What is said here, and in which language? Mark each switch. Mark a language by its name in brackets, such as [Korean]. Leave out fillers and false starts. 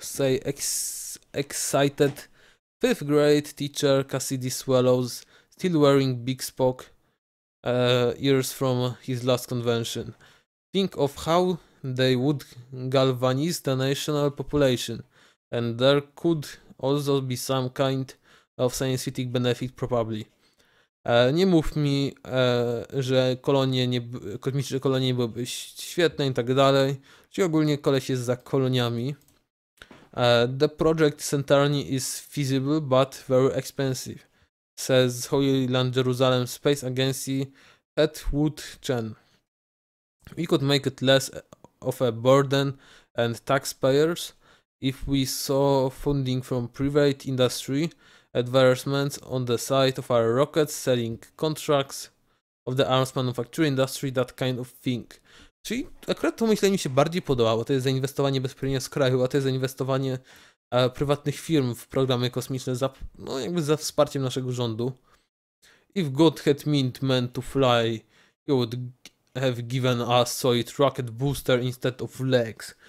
[English] Say excited fifth grade teacher Cassidy Swallows, still wearing Big Spock ears from his last convention. Think of how they would galvanize the national population, and there could also be some kind of scientific benefit, probably. [Polish] Nie mów mi, że kosmiczne kolonie byłyby świetne, i tak dalej. Czyli ogólnie koleś jest za koloniami. [English] The project centrally is feasible, but very expensive, says Holy Land Jerusalem Space Agency Ed Wood Chen. We could make it less of a burden and taxpayers if we saw funding from private industry, advertisements on the side of our rockets, selling contracts of the arms manufacturing industry, that kind of thing. [Polish] Czyli akurat to myślenie mi się bardziej podobało. To jest zainwestowanie bezpośrednio z kraju, a to jest zainwestowanie prywatnych firm w programy kosmiczne za, no jakby za wsparciem naszego rządu. [English] If God had meant men to fly, he would have given us solid rocket booster instead of legs.